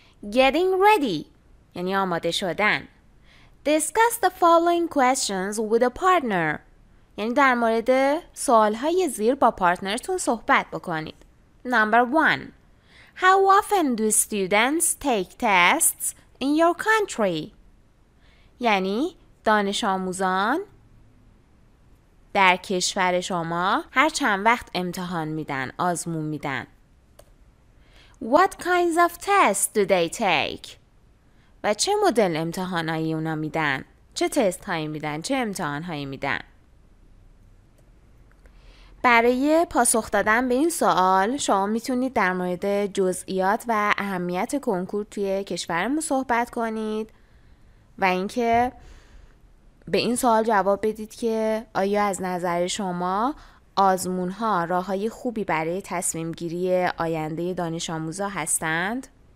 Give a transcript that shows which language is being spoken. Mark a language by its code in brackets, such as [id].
[en] Getting ready. [fa] یعنی آماده شدن. [en] Discuss the following questions with a partner. [fa] یعنی در مورد سوال‌های زیر با پارتنرتون صحبت بکنید. [en] Number 1. How often do students take tests in your country? [fa] یعنی دانش آموزان در کشور شما هر چند وقت امتحان میدن، آزمون میدن. [en] What kinds of tests do they take? [fa] و چه مدل امتحانایی اونا میدن؟ چه تست هایی میدن؟ چه امتحان هایی میدن؟ برای پاسخ دادن به این سوال شما میتونید در مورد جزئیات و اهمیت کنکور توی کشورمون صحبت کنید و اینکه به این سوال جواب بدید که آیا از نظر شما آزمون‌ها راه‌های خوبی برای تصمیم‌گیری آینده دانش آموزا هستند.